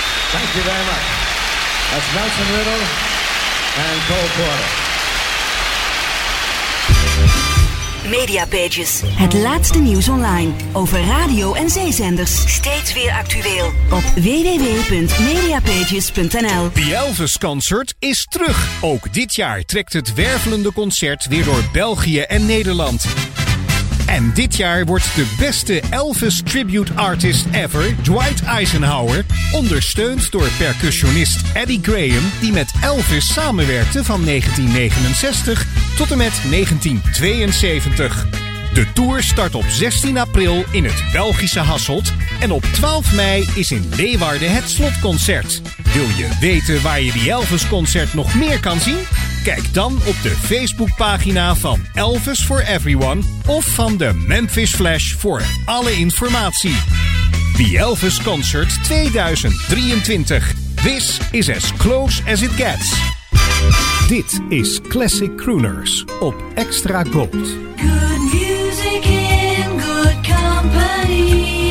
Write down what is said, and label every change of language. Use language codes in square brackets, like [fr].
[en] Thank you very much. That's Nelson Riddle and Cole Porter. Media Pages. [nl] Het laatste nieuws online over radio en zeezenders. Steeds weer actueel op www.mediapages.nl. The Elvis Concert is terug. Ook dit jaar trekt het wervelende concert weer door België en Nederland. En dit jaar wordt de beste Elvis [en] tribute artist ever, [nl] Dwight Eisenhower, ondersteund door percussionist Eddie Graham, die met Elvis samenwerkte van 1969 tot en met 1972. De tour start op 16 april in het Belgische Hasselt en op 12 mei is in Leeuwarden het slotconcert. Wil je weten waar je die Elvis concert nog meer kan zien? Kijk dan op de Facebookpagina van Elvis for Everyone of van de Memphis Flash voor alle informatie. [en] The Elvis Concert 2023. This is as close as it gets. [nl] Dit is Classic Crooners op Extra Gold. [en] Good music in good company.